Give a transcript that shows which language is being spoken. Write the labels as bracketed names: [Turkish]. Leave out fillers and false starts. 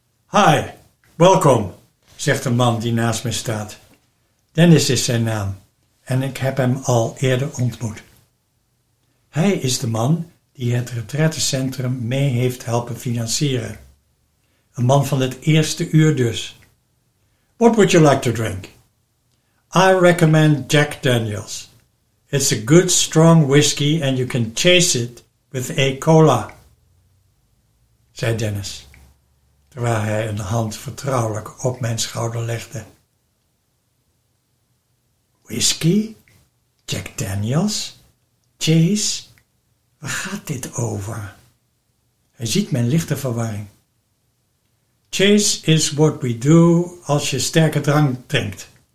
[Dutch] Hi, welkom, zegt een man die naast me staat. Dennis is zijn naam en ik heb hem al eerder ontmoet. Hij is de man die het retraitecentrum mee heeft helpen financieren. Een man van het eerste uur dus. [English] What would you like to drink? I recommend Jack Daniels. It's a good strong whiskey and you can chase it with a cola. [Dutch] Zei Dennis, terwijl hij een hand vertrouwelijk op mijn schouder legde. [English] Whiskey? Jack Daniels? Chase? [Dutch] Waar gaat dit over? Hij ziet mijn lichte verwarring. Chase [English] is what we do [Dutch] als je sterke drank drinkt.